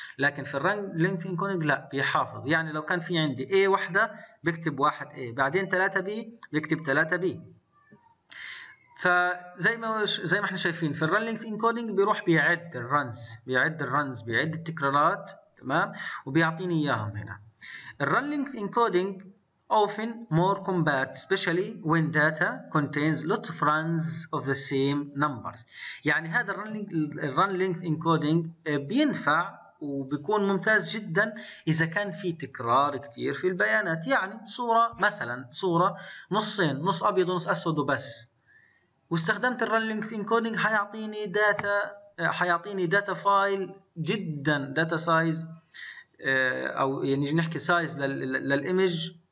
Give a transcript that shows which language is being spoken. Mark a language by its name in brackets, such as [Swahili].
[Arabic] لكن في الرنج لينث انكودينج لا، بيحافظ. يعني لو كان في عندي A واحدة بكتب 1 A، بعدين 3 B بكتب 3 B. فزي ما احنا شايفين في الرنج لينث انكودينج بيروح بيعد الرنز، بيعد الرنز، بيعد التكرارات. تمام، وبيعطيني إياهم هنا. [English] الرنج length encoding often more compact especially when data contains lot of runs of the same numbers. [Arabic] يعني هذا الرن لينث انكودينج بينفع وبيكون ممتاز جدا اذا كان في تكرار كثير في البيانات. يعني صوره مثلا، صوره نصين، نص ابيض ونص اسود وبس، واستخدمت الرن لينث انكودينج حيعطيني داتا، حيعطيني داتا فايل جدا، داتا سايز او يعني نحكي سايز للايمج